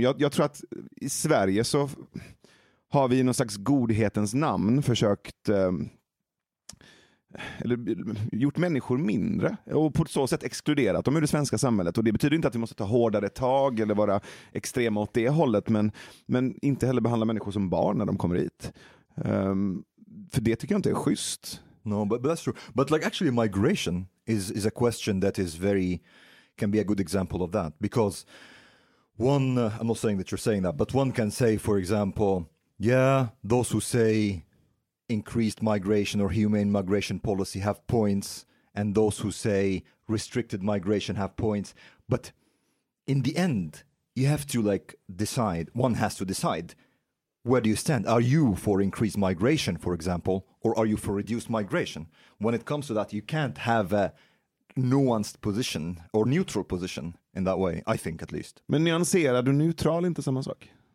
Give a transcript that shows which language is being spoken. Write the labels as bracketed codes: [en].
[sv] Jag tror att i Sverige så har vi i någon slags godhetens namn försökt eller gjort människor mindre och på så sätt exkluderat dem ur det svenska samhället. Och det betyder inte att vi måste ta hårdare tag eller vara extrema åt det hållet, men inte heller behandla människor som barn när de kommer hit. För det tycker jag inte är schysst. [en] No, but that's true. But like actually migration is a question that is very, can be a good example of that. Because one, I'm not saying that you're saying that, but one can say, for example, yeah, those who say increased migration or humane migration policy have points, and those who say restricted migration have points. But in the end, you have to like decide, one has to decide, where do you stand? Are you for increased migration, for example, or are you for reduced migration? When it comes to that, you can't have a nuanced position or neutral position in that way, I think at least. [sv] Men nyanserad och neutral är inte samma sak?